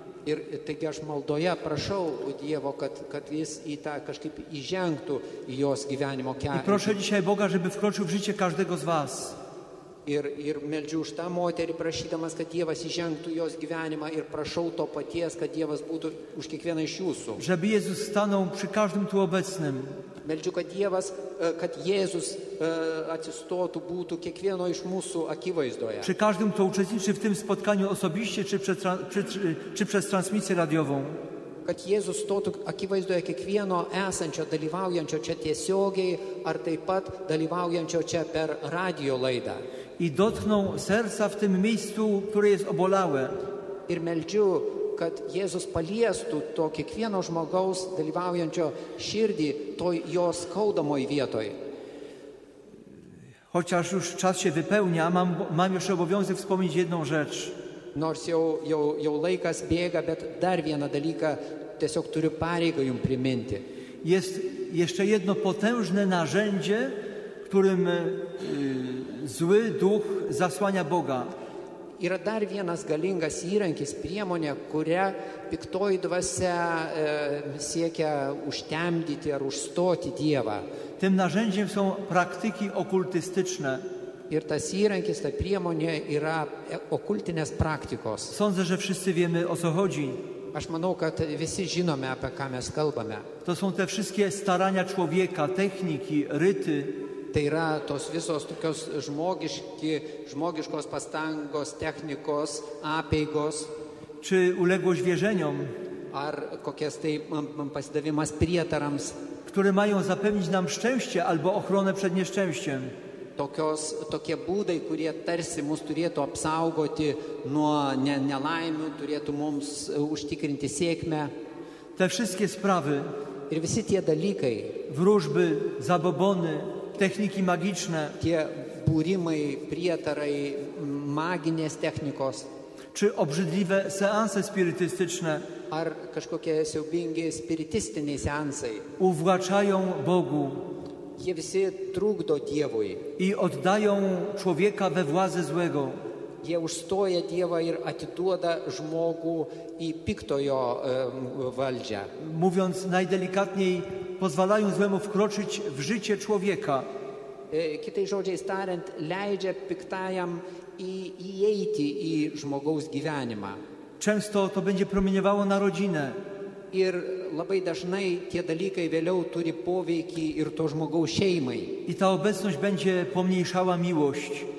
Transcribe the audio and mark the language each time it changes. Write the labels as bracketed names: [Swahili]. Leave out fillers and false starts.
[Lithuanian] Ir taigi aš maldoje prašau Dievo, kad jis į tą kažkaip įžengtų į jos gyvenimo kelią. [Polish] I prošo dzisiaj Boga, žeby vkročil v žičie každego z vas. [Lithuanian] Ir meldžiu už tą moterį, prašydamas, kad Dievas įžengtų jos gyvenimą ir prašau to paties, kad Dievas būtų už kiekvieną iš jūsų. [Polish] Žeby Jėzus stanął przy każdym tu obecnym. [Lithuanian] Meldžiu, kad Jėzus atsistotų, būtų kiekvieno iš mūsų akivaizdoje. [Polish] Przy każdym tu uczestniczy w tym spotkaniu osobiście, czy przez transmisję radiową. [Lithuanian] Kad Jėzus stotų akivaizdoje kiekvieno esančio, dalyvaujančio čia tiesiogiai, ar taip pat dalyvaujančio čia per radio laidą. [Polish] I dotknął serca w tym miejscu, które jest obolałe. [Lithuanian] Ir meldžiu, kad Jėzus paliestų to kiekvieno žmogaus dalyvaujančio širdį toj jo skaudamoj vietoj. [Polish] Chociaż już czas się wypełnia, mam już obowiązek wspomnieć jedną rzecz. [Lithuanian] Nors jau laikas bėga, bet dar vieną dalyką tiesiog turiu pareigą jum priminti. [Polish] Jest jeszcze jedno potężne narzędzie, którym zły duch zasłania Boga. [Lithuanian] Yra dar vienas galingas įrankis, priemonė, kurią piktoji dvasia siekia užtemdyti ar užstoti Dievą. [Polish] Tym narzędziem są praktyki okultystyczne. [Lithuanian] Ir tas įrankis, ta priemonė yra okultinės praktikos. [Polish] Sądzę, że wszyscy wiemy, o co chodzi. [Lithuanian] Aš manau, kad visi žinome, apie ką mes kalbame. [Polish] To są te wszystkie starania człowieka, techniki, ryty. [Lithuanian] Tai yra tos visos tokios žmogiškos pastangos, technikos, apeigos. [Polish] Czy uległość wierzeniom. [Lithuanian] Ar kokias tai pasidavimas prietarams. [Polish] Które mają zapewnić nam szczęście albo ochronę przed nieszczęściem. [Lithuanian] Tokie būdai, kurie tarsi mus turėtų apsaugoti nuo nelaimių, turėtų mums užtikrinti sėkmę. [Polish] Te wszystkie sprawy. [Lithuanian] Ir visi tie dalykai. [Polish] Wróżby, zabobony, techniki magiczne. [Lithuanian] Tie būrimai, prietarai, maginės technikos. [Polish] Czy obrzydliwe seanse spirytystyczne. [Lithuanian] Ar kažkokie siaubingi spirytystiniai seansai. [Polish] Uwłaczają Bogu. [Lithuanian] Jie visi trukdo Dievui. [Polish] I oddają człowieka we władzę złego. [Lithuanian] Jie užstoja Dievą ir atiduoda žmogų į piktojo valdžią. [Polish] Mówiąc najdelikatniej, pozwalają złemu wkroczyć w życie człowieka. [Lithuanian] Kitais žodžiais tariant, leidžia piktajam įeiti į žmogaus gyvenimą. [Polish] Często to będzie promieniowało na rodzinę. [Lithuanian] Ir labai dažnai tie dalykai vėliau turi poveikį ir to žmogaus šeimai. [Polish] I ta obecność będzie pomniejszała miłość.